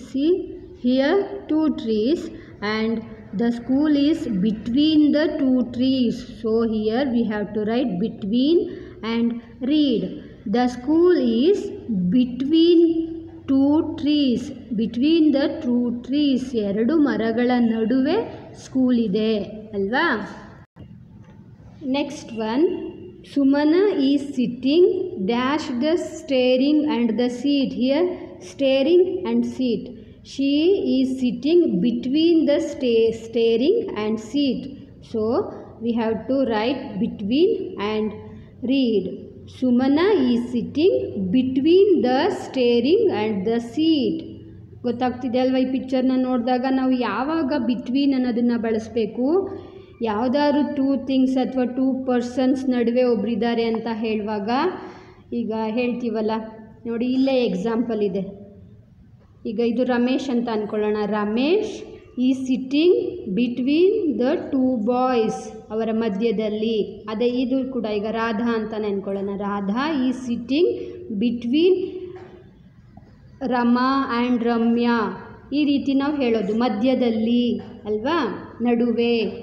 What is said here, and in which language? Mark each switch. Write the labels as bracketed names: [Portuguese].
[English] See here two trees and the school is between the two trees. So here we have to write between and read the school is between two trees. Between the two trees, [Kannada] ಎರಡು ಮರಗಳ ನಡುವೆ school ಇದೆ ಅಲ್ವಾ. [English] Next one, Sumana is sitting, dash the staring and the seat. Here, staring and seat. She is sitting between the staring and seat. So, we have to write between and read. Sumana is sitting between the staring and the seat. [Kannada] ಗೊತ್ತಾಗ್ತಿದೆಯಲ್ವಾ ಈ ಪಿಕ್ಚರ್ನ ನೋಡಿದಾಗ ನಾವು ಯಾವಾಗ between ಅನ್ನೋದನ್ನು ಬಳಸಬೇಕು ಯಾವುದಾದ್ರು [English] two things [Kannada] ಅಥವಾ [English] two persons [Kannada] ನಡುವೆ ಒಬ್ಬರಿದ್ದಾರೆ ಅಂತ ಹೇಳುವಾಗ ಈಗ ಹೇಳ್ತೀವಲ್ಲ ನೋಡಿ ಇಲ್ಲೇ ಎಕ್ಸಾಂಪಲ್ ಇದೆ ಈಗ ಇದು ರಮೇಶ್ ಅಂತ ಅಂದ್ಕೊಳ್ಳೋಣ ರಮೇಶ್ [English] is sitting between the two boys [Kannada] ಅವರ ಮಧ್ಯದಲ್ಲಿ ಅದೇ ಇದು ಕೂಡ ಈಗ ರಾಧಾ ಅಂತ ಅಂದ್ಕೊಳ್ಳೋಣ ರಾಧಾ [English] is sitting between Rama and Ramya [Kannada] ಈ ರೀತಿ ನಾವು ಹೇಳೋದು ಮಧ್ಯದಲ್ಲಿ ಅಲ್ವಾ ನಡುವೆ